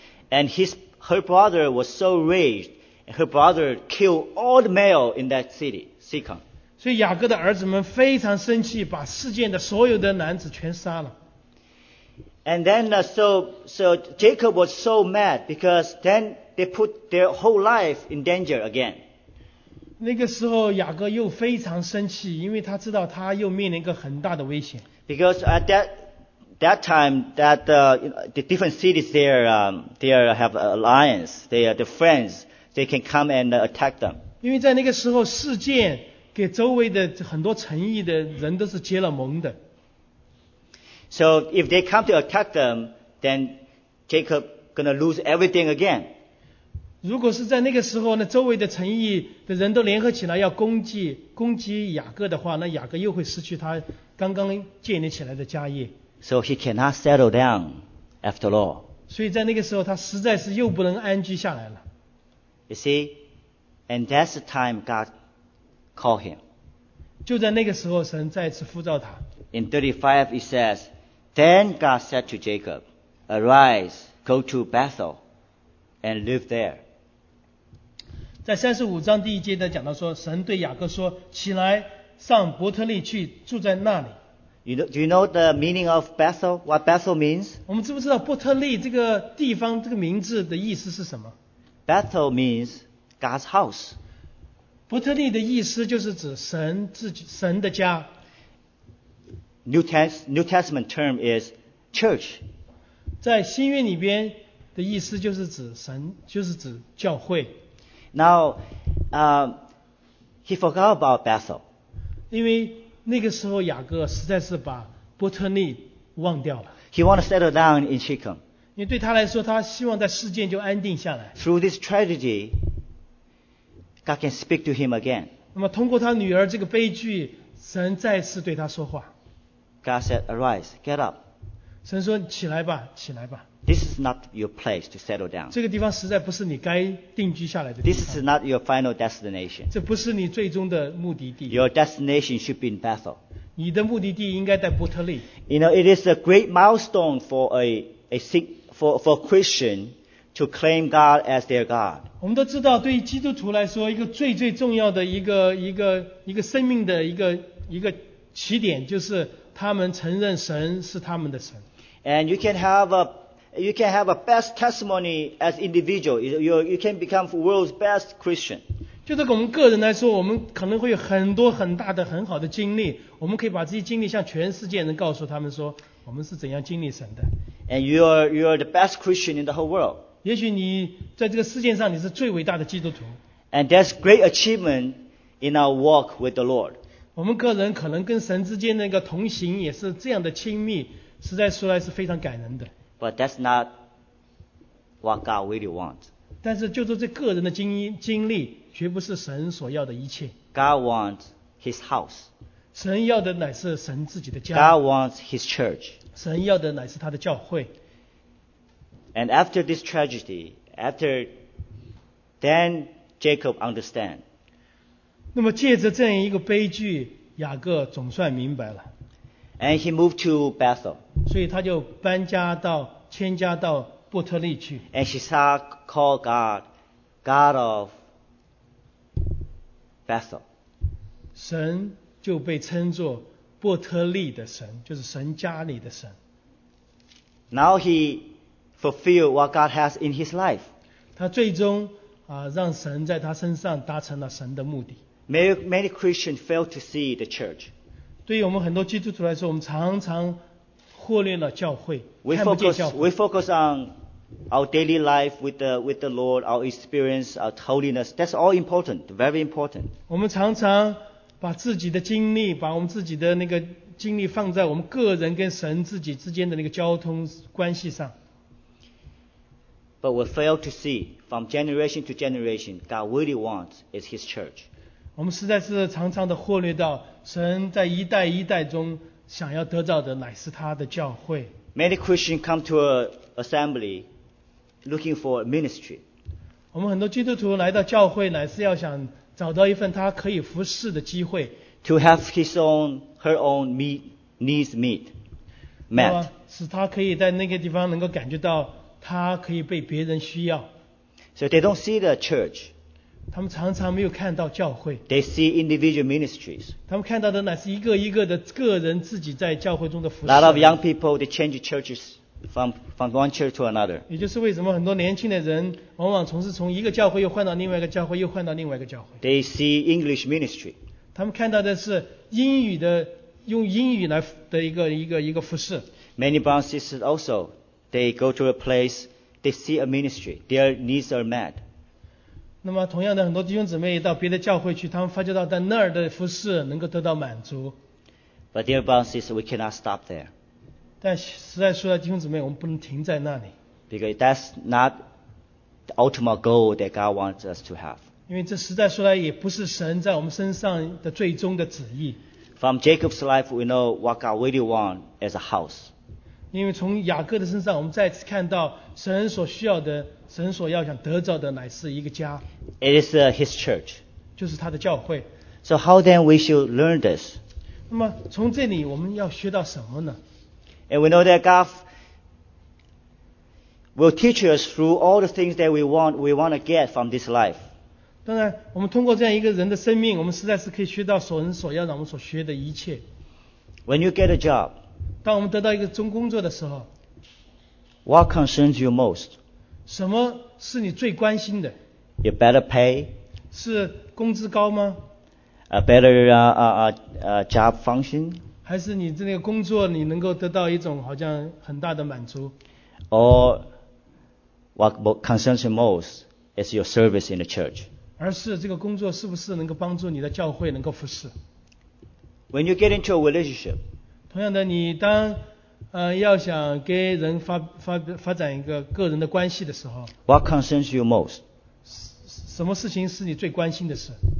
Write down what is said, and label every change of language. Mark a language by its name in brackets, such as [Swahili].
[English] And her brother was so raged, her brother killed all the male in that city, Sichem. [Chinese] 所以雅各的儿子们非常生气，把世界的所有的男子全杀了。 [English] And then, so Jacob was so mad because then they put their whole life in danger again. [Chinese] 那个时候雅各又非常生气，因为他知道他又面临一个很大的危险。 [English] Because at that time, that the different cities there, they have alliance, they're friends, they can come and attack them. [Chinese] 因为在那个时候，世界给周围的很多城邑的人都是结了盟的。 [English] So if they come to attack them, then Jacob gonna lose everything again. [Chinese] 如果是在那个时候呢，周围的城邑的人都联合起来要攻击雅各的话，那雅各又会失去他刚刚建立起来的家业。 [English] So he cannot settle down after all. [Chinese] 所以在那个时候，他实在是又不能安居下来了。 [English] You see, and that's the time God called him. [Chinese] 就在那个时候，神再次呼召他。 [English] In 35, it says, Then God said to Jacob, Arise, go to Bethel, and live there. [Chinese] 在35章第一节讲到说，神对雅各说，起来，上伯特利去，住在那里。 [English] Do you know the meaning of Bethel? What Bethel means? [Chinese] 我们知不知道伯特利这个地方，这个名字的意思是什么？ [English] Bethel means God's house. [Chinese] 伯特利的意思就是指神的家。 [English] New Testament term is church. [Chinese] 在新约里边的意思就是指神，就是指教会。 [English] Now, he forgot about Bethel. [Chinese] 因为那个时候雅各实在是把伯特利忘掉了。 [English] He wanted to settle down in Shechem. [Chinese] 因为对他来说，他希望在世间就安定下来。 [English] Through this tragedy, God can speak to him again. [Chinese] 那么通过他女儿这个悲剧，神再次对他说话。 [English] God said, "Arise, get up." [Chinese] 神说起来吧，起来吧。 [English] This is not your place to settle down. [Chinese] 这个地方实在不是你该定居下来的地方。 [English] This is not your final destination. [Chinese] 这不是你最终的目的地。 [English] Your destination should be in Bethel. [Chinese] 你的目的地应该在伯特利。 [English] You know, it is a great milestone for a Christian to claim God as their God. [Chinese] 我们都知道，对于基督徒来说，一个最最重要的一个生命的一个起点就是。他们承认神是他们的神。 [English] And you can have a best testimony as individual. You can become world's best Christian. [Chinese] 就是我们个人来说，我们可能会有很多很大的很好的经历，我们可以把这些经历向全世界人告诉他们说，我们是怎样经历神的。 [English] And you are the best Christian in the whole world. [Chinese] 也许你在这个世界上你是最伟大的基督徒。 [English] And that's great achievement in our walk with the Lord. [Chinese] 我们个人可能跟神之间的一个同行也是这样的亲密，实在说来是非常感人的。 [English] But that's not what God really wants. [Chinese] 但是就是这个人的经历，绝不是神所要的一切。 [English] God wants His house. [Chinese] 神要的乃是神自己的家。 [English] God wants His church. [Chinese] 神要的乃是他的教会。 [English] And after this tragedy, after then Jacob understand. [Chinese] 那么借着这样一个悲剧，雅各总算明白了。 [English] And he moved to Bethel. [Chinese] 所以他就迁家到伯特利去。 [English] And she started call God, God of Bethel. [Chinese] 神就被称作伯特利的神，就是神家里的神。 [English] Now he fulfilled what God has in his life. [Chinese] 他最终让神在他身上达成了神的目的。 [English] Many Christians fail to see the church. [Chinese] 对于我们很多基督徒来说，我们常常忽略了教会，看不见教会。 [English] We focus on our daily life with the Lord, our experience, our holiness. That's all important, very important. [Chinese] 我们常常把自己的经历，把我们自己的那个经历放在我们个人跟神自己之间的那个交通关系上。 [English] But we fail to see from generation to generation, God really wants is His church. [Chinese] 我们实在是常常的忽略到神在一代一代中想要得到的乃是他的教会。 [English] Many Christians come to an assembly looking for a ministry. [Chinese] 我们很多基督徒来到教会乃是要想找到一份他可以服侍的机会。 [English] To have his own, her own needs meet. met. [Chinese] 使他可以在那个地方能够感觉到他可以被别人需要。 [English] So they don't see the church. [Chinese] 他们常常没有看到教会。 [English] They see individual ministries. [Chinese] 他们看到的乃是一个一个的个人自己在教会中的服侍。 [English] Lot of young people, they change churches from one church to another. [Chinese] 也就是为什么很多年轻的人往往从是从一个教会又换到另外一个教会又换到另外一个教会。 [English] They see English ministry. [Chinese] 他们看到的是英语的用英语来的一个服侍。 [English] Many brothers and sisters also, they go to a place, they see a ministry, their needs are met. [Chinese] 那么同样的，很多弟兄姊妹到别的教会去，他们发觉到在那儿的服侍能够得到满足。 [English] But dear brothers and sisters, we cannot stop there. [Chinese] 但实在说来，弟兄姊妹，我们不能停在那里。 [English] Because that's not the ultimate goal that God wants us to have. [Chinese] 因为这实在说来，也不是神在我们身上的最终的旨意。 [English] From Jacob's life, we know what God really wants as a house. [Chinese] 因为从雅各的身上，我们再次看到神所需要的，神所要想得到的，乃是一个家。 [English] It is his church. [Chinese] 就是他的教会。 [English] So how then we should learn this? [Chinese] 那么从这里我们要学到什么呢？ [English] And we know that God will teach us through all the things that we want to get from this life. [Chinese] 当然，我们通过这样一个人的生命，我们实在是可以学到所人所要让我们所学的一切。 [English] When you get a job, [Chinese] 当我们得到一个中工作的时候 [English] ，What concerns you most? [Chinese] 什么是你最关心的 [English] ？A better pay? [Chinese] 是工资高吗 [English] ？A better job function? [Chinese] 还是你这个工作你能够得到一种好像很大的满足 [English] ？Or what concerns you most is your service in the church? [Chinese] 而是这个工作是不是能够帮助你的教会能够服侍 [English] ？When you get into a relationship， [Chinese] 同样的，你当要想跟人发展一个个人的关系的时候 [English] ，What concerns you most？ [Chinese] 什么事情是你最关心的事